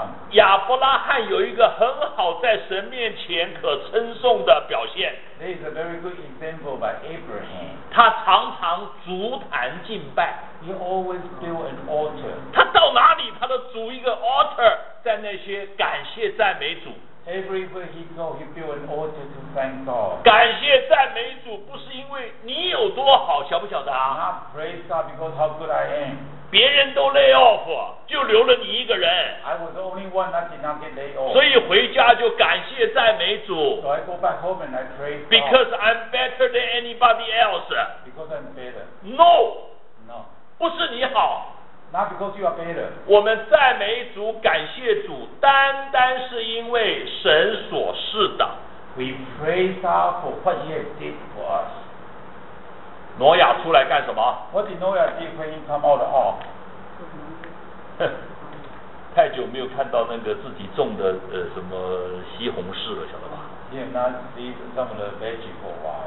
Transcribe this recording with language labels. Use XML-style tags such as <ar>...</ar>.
<zh>亚伯拉罕有一个很好在神面前可称颂的表现。</zh> <en>There is a very good example by Abraham.</en> <zh>他常常筑坛敬拜。</zh> <en>He always built an altar.</en> <zh>他到哪里，他都筑一个 altar， 在那些感谢赞美主。</zh> <en>Everywhere he go, he built an altar to thank God.</en> <zh>感谢赞美主不是因为你有多好，晓不晓得啊</zh> <en>？Not praise God because how good I am.</en> <zh>别人都 lay off， 就留了你一个人。</zh> <en>I was the only one that did not get lay off。</en> <zh>所以回家就感谢赞美主。</zh> <en>So I go back home and I praise God。 Because I'm better than anybody else。 Because I'm better。 No。 No。</en> <zh>不是你好。</zh> <en>Not because you are better。</en> <zh>我们赞美主、感谢主，单单是因为神所赐的。</zh> <en>We praise God for what He has did for us。</en> <zh>挪亚出来干什么</zh> <en>？What did Noah do when he come out of the ark？</en> <zh>太久没有看到那个自己种的什么西红柿了，晓得吧</zh> <en>？He did not see some of the vegetables。</en>